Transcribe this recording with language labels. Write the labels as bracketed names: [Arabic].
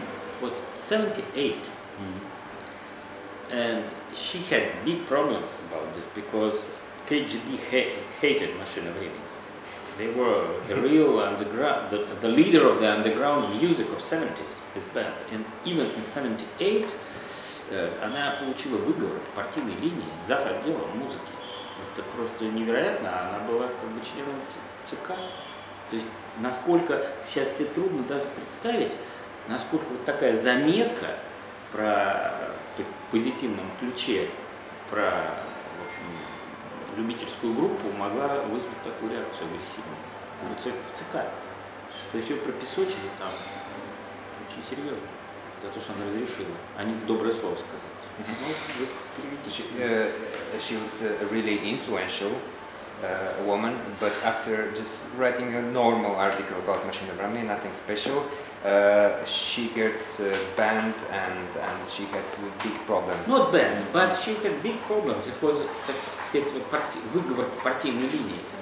[English] It was 78. And she had big problems about this because KGB hated Mashino Vremya. they were the real underground, the leader of the underground music of 70s, his band. And even in 78, [Russian] она получила выговор партийной линии за отдел музыки. Это просто невероятно, она была как бы членом ЦК. То есть насколько сейчас все трудно даже представить, насколько вот такая заметка про позитивном ключе, про, в общем, любительскую группу могла вызвать такую реакцию агрессивную в ЦК. То есть ее пропесочили там очень серьезно. То, что она разрешила, о них доброе слово сказать. [English] She was a really influential woman, but after just writing a normal article about Machine Gun Kelly, nothing special, she got banned and she had big problems. Not banned, but she had big problems. It was, [Russian] так сказать, выговор по партийной линии.